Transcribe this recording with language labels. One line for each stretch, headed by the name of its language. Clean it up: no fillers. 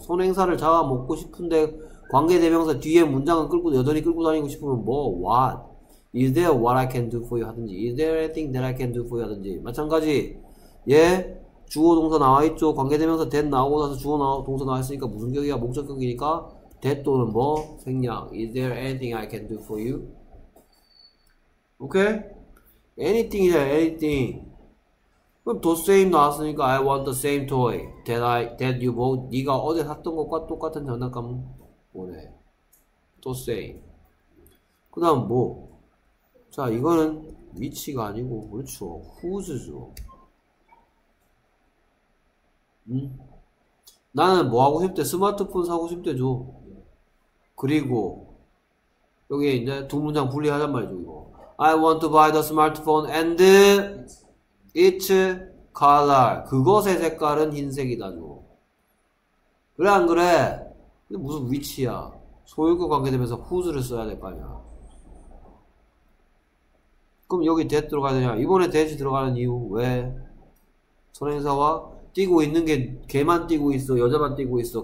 Korean: 선행사를 잡아먹고 싶은데 관계대명사 뒤에 문장은 끌고 여전히 끌고 다니고 싶으면 뭐 what?
English: Is there what I can do for you?
Korean: 하든지
English: is there anything that I can do for you?
Korean: 하든지 마찬가지 얘 주어 동사 나와 있죠. 관계대명사 that 나오고 나서 주어 동사 나와 있으니까 무슨 격이야? 목적격이니까 that 또는 뭐 생략.
English: Is there anything I can do for you?
Korean: 오케이. Anything이야. Anything. 그럼
English: the same
Korean: 나왔으니까
English: I want the same toy that you bought.
Korean: 네가 어제 샀던 것과 똑같은 장난감 뭐래?
English: The same.
Korean: 그다음 뭐? 자, 이거는 위치가 아니고 그렇죠. Whose죠. 나는 뭐 하고 싶대? 스마트폰 사고 싶대죠. 그리고 여기 이제 두 문장 분리하단 말이죠. 이거
English: I want to buy the smartphone and its color.
Korean: 그것의 색깔은 흰색이다죠. 그래 안 그래? 근데 무슨 위치야? 소유권 관계되면서 whose를 써야 될거 아니야. 그럼 여기 that 들어가야 되냐? 이번에 that이 들어가는 이유 왜? 선행사와 뛰고 있는 게 걔만 뛰고 있어. 여자만 뛰고 있어.